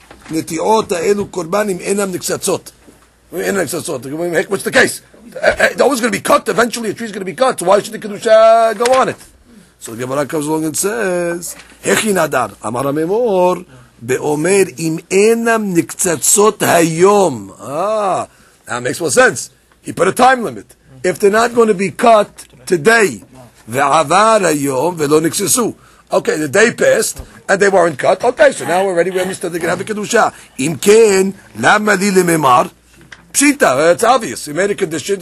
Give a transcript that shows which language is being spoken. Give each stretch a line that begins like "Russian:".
Hebrew: נטיעות האלו קורבנים אינם נקצצות. אינם נקצצות.
English: What's the case? It's always going to be cut. Eventually a tree is going to be cut. So why should the kedusha go on it? So the Gemara comes along and says,
Hebrew: הכי נדר, אמר הממור, באומר אם אינם נקצצות היום.
English: That makes more sense. He put a time limit. If they're not going to be cut today,
Hebrew: ועבר היום ולא נקצצו.
English: Okay, the day passed, and they weren't cut. Okay, so now we're ready. We understand they're going to have a kedusha.
Hebrew: Im ken, lama li lememar? Pshita,
English: it's obvious. He made a condition.